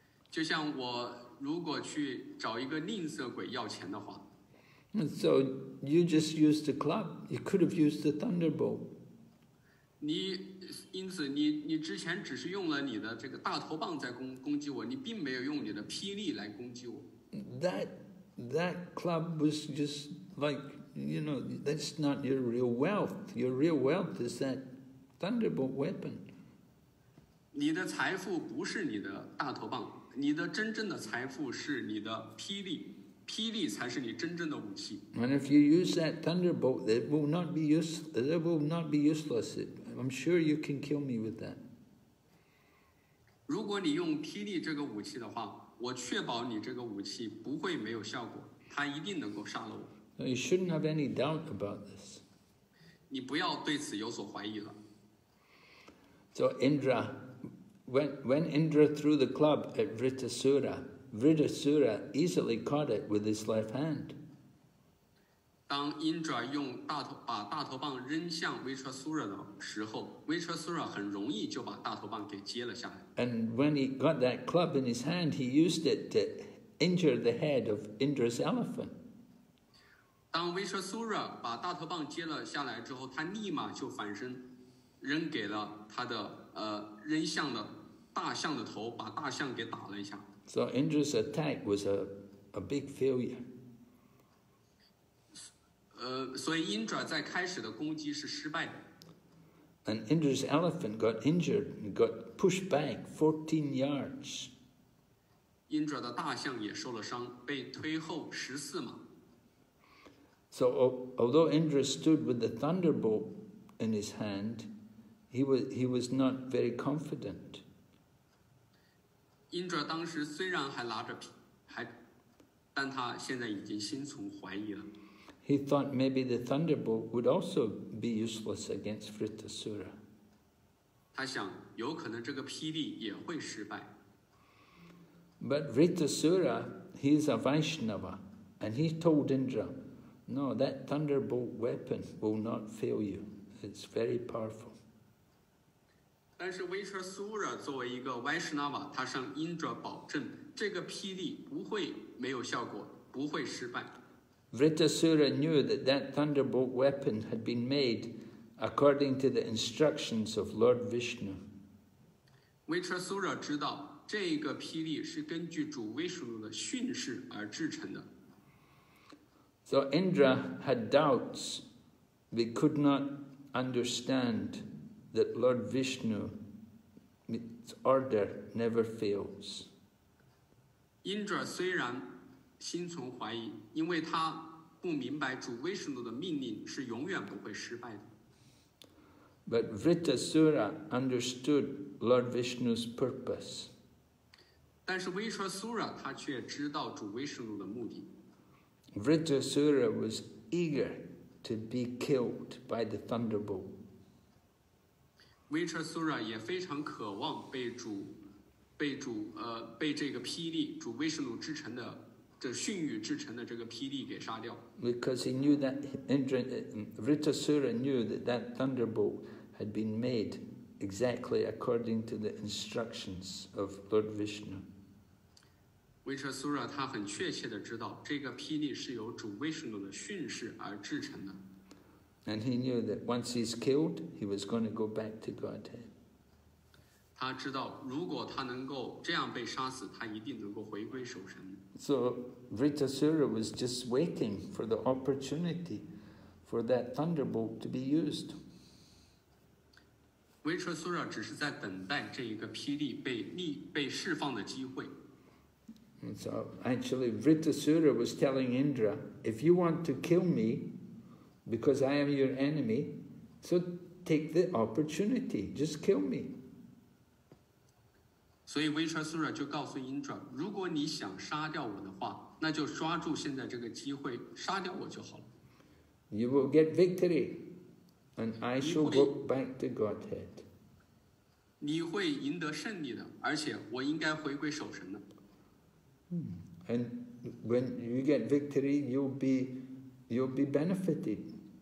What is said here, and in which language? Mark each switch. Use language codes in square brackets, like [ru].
[zh] 就像我如果去找一个吝啬鬼要钱的话, [en] so you just used the club. You could have used the thunderbolt. [zh] 你因此你之前只是用了你的这个大头棒在攻击我，你并没有用你的霹雳来攻击我. [en] That club was just like, you know, that's not your real wealth. Your real wealth is that thunderbolt weapon. [zh] 你的财富不是你的大头棒。你的真正的财富是你的霹雳，霹雳才是你真正的武器。 [en] And if you use that thunderbolt, it will not be useless. It will not be useless. I'm sure you can kill me with that. [zh] 如果你用霹雳这个武器的话，我确保你这个武器不会没有效果。他一定能够杀了我。 [en] You shouldn't have any doubt about this. [zh] 你不要对此有所怀疑了。 [en] So Indra, when Indra threw the club at Vritasura, Vritasura easily caught it with his left hand. [zh] 当 Indra 用大头把大头棒扔向 Vritasura 的时候 ，Vritasura 很容易就把大头棒给接了下来。 [en] And when he got that club in his hand, he used it to injure the head of Indra's elephant. [zh] 当威彻苏拉把大头棒接了下来之后，他立马就反身扔给了他的扔向了大象的头，把大象给打了一下。 [en] So Indra's attack was a big failure. [zh] 所以 Indra 在开始的攻击是失败的。 [en] And Indra's elephant got injured and got pushed back 14 yards. [zh] Indra 的大象也受了伤，被推后14码。 [en] So although Indra stood with the thunderbolt in his hand, he was not very confident. [zh] Indra 当时虽然还拿着皮，还，但他现在已经心存怀疑了。 [en] He thought maybe the thunderbolt would also be useless against Vritasura. [zh] 他想有可能这个霹雳也会失败。 [en] But Vritasura, he is a Vaishnava, and he told Indra. No, that thunderbolt weapon will not fail you. It's very powerful. [zh] 但是威彻苏拉作为一个 Vaishnava, 他向 Indra 保证这个霹雳不会没有效果，不会失败。 [en] Vritasura knew that that thunderbolt weapon had been made according to the instructions of Lord Vishnu. [zh] 威彻苏拉知道这个霹雳是根据主威舍的训示而制成的。 [en] So Indra had doubts. We could not understand that Lord Vishnu's order never fails. [zh] Indra 虽然心存怀疑，因为他不明白主威士努的命令是永远不会失败的。 [en] But Vritasura understood Lord Vishnu's purpose. [zh] 但是威彻苏拉他却知道主威士努的目的。 [en] Vritasura was eager to be killed by the thunderbolt. [zh] Vritasura 也非常渴望被主，被主被这个霹雳，主威士努制成的这训谕制成的这个霹雳给杀掉。 [en] Because he knew that Vritasura knew that that thunderbolt had been made exactly according to the instructions of Lord Vishnu. [zh] 威彻苏拉他很确切地知道这个霹雳是由主威士努的训示而制成的。 [en] And he knew that once he's killed, he was going to go back to Godhead. [zh] 他知道如果他能够这样被杀死，他一定能够回归守神。 [en] So Vritasura was just waiting for the opportunity for that thunderbolt to be used. [zh] 威彻苏拉只是在等待这一个霹雳被释放的机会。 [en] And so actually Vritasura was telling Indra, if you want to kill me because I am your enemy, so take the opportunity, just kill me. [zh] 所以威彻苏拉就告诉 Indra, 如果你想杀掉我的话，那就抓住现在这个机会杀掉我就好了。 [en] You will get victory and I shall go back to Godhead. [zh] 你会赢得胜利的，而且我应该回归守神的。 [en] And when you get victory, you'll be benefited.